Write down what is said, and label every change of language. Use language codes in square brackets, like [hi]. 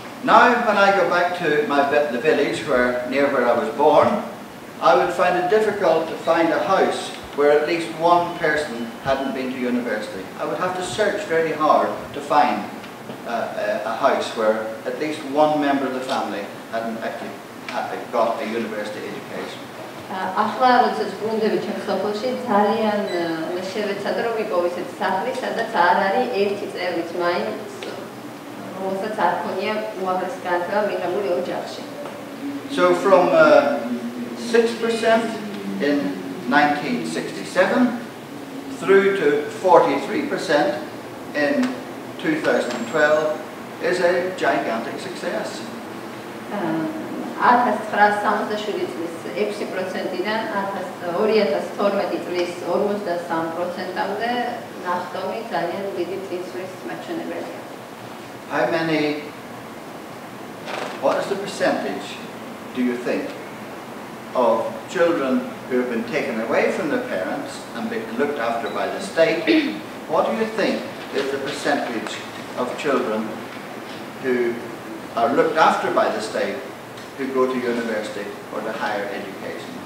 [en] Now when I go back to the village near where I was born, I would find it difficult to find a house where at least one person hadn't been to university. I would have to search very hard to find a house where at least one member of the family hadn't actually got a university education. [ka] ახლა როდესაც ვბრუნდები ჩემ სოფელში, ძალიან შევეცადე რომ ვიპოვო ისეთ სახლი, სადაც არ არის ერთი წევრიც მაინც, რომელსაც არ ჰქონია უაღრესი განათლება მიღებული ოჯახში. [en] So from 6% in 1967 through to 43% in 2012 is a gigantic success. [ka] 1967 წლის 6%-დან 2012 წლის 53%-ამდე ნახტომი ძალიან დიდი წინსვლის მაჩვენებელია. [en] What is the percentage do you think of children who have been taken away from their parents and been looked after by the state, what do you think is the percentage of children who are looked after by the state who go to university or to higher education?